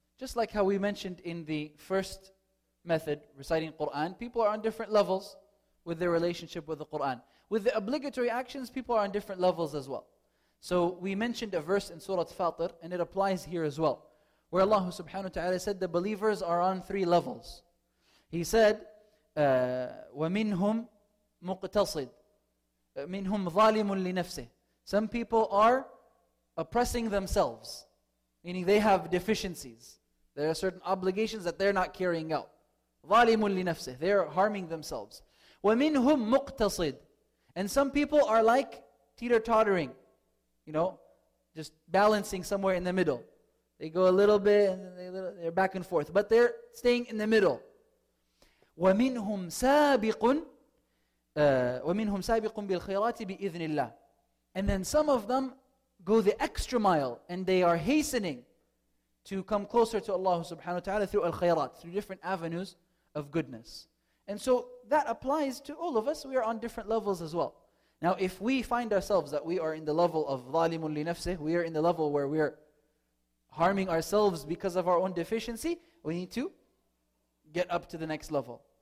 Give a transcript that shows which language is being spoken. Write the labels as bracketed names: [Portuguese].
[English] Just like how we mentioned in the first method, reciting Qur'an, people are on different levels with their relationship with the Qur'an. With the obligatory actions, people are on different levels as well. So we mentioned a verse in Surah Fatir, and it applies here as well, where Allah subhanahu wa ta'ala said the believers are on three levels. He said, [Arabic] وَمِنْهُمْ مُقْتَصِدٌ مِنْهُمْ ظَالِمٌ لِنَفْسِهِ. [English] Some people are oppressing themselves, meaning they have deficiencies. There are certain obligations that they're not carrying out. [Arabic] ظَالِمٌ لِنَفْسِهِ. [English] They're harming themselves. [Arabic] وَمِنْهُمْ مُقْتَصِدٌ. [English] And some people are like teeter-tottering. You know, just balancing somewhere in the middle. They go a little bit, and then they're back and forth. But they're staying in the middle. [Arabic] وَمِنْهُمْ سَابِقٌ وَمِنْهُمْ سَابِقٌ بِالْخَيْرَاتِ بِإِذْنِ اللَّهِ. [English] And then some of them go the extra mile and they are hastening to come closer to Allah subhanahu wa ta'ala through al-khayrat, through different avenues of goodness. And so that applies to all of us. We are on different levels as well. Now, if we find ourselves that we are in the level of [Arabic] ظَالِمٌ لِنَفْسِهِ, [English] we are in the level where we are harming ourselves because of our own deficiency, we need to get up to the next level.